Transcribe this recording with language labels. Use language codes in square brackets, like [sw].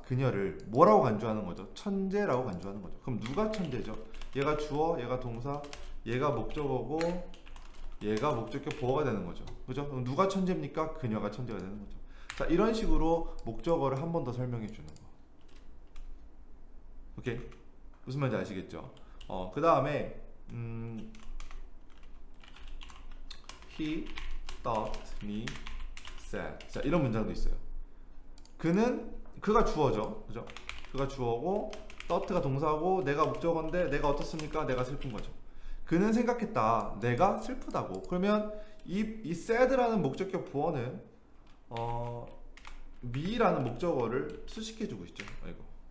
[ko] 그녀를 뭐라고 간주하는 거죠? 천재라고 간주하는 거죠. 그럼 누가 천재죠? 얘가 주어, 얘가 동사, 얘가 목적어고, 얘가 목적격 보어가 되는 거죠. 그죠? 그럼 누가 천재입니까? 그녀가 천재가 되는 거죠. 자, 이런 식으로 목적어를 한번더 설명해 주는 거. 오케이? 무슨 말인지 아시겠죠? 그 다음에, [en] He thought me sad. [ko] 자, 이런 문장도 있어요. 그가 주어죠. 그죠? 그가 주어고, thought가 동사고, 내가 목적어인데, 내가 어떻습니까? 내가 슬픈 거죠. 그는 생각했다. 내가 슬프다고. 그러면 이 sad라는 목적격 보어는 me라는 목적어를 수식해주고 있죠. 아이고.